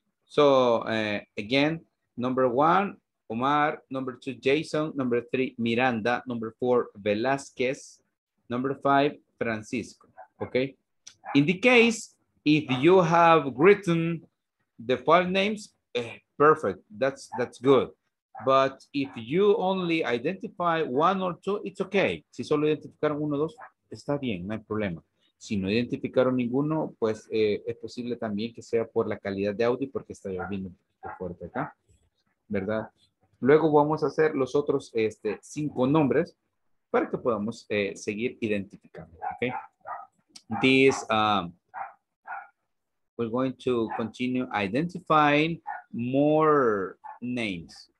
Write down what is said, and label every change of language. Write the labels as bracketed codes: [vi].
[en] So, again, number one, Omar, number two, Jason, number three, Miranda, number four, Velázquez, number five, Francisco, okay? In the case, if you have written the five names, perfect, that's good. But if you only identify one or two, it's okay. [es] Si solo identificaron uno o dos, está bien, no hay problema. Si no identificaron ninguno, pues es posible también que sea por la calidad de audio, porque está lloviendo un poquito fuerte acá, ¿verdad? Luego vamos a hacer los otros cinco nombres para que podamos seguir identificando. [en] Okay? This, we're going to continue identifying more names.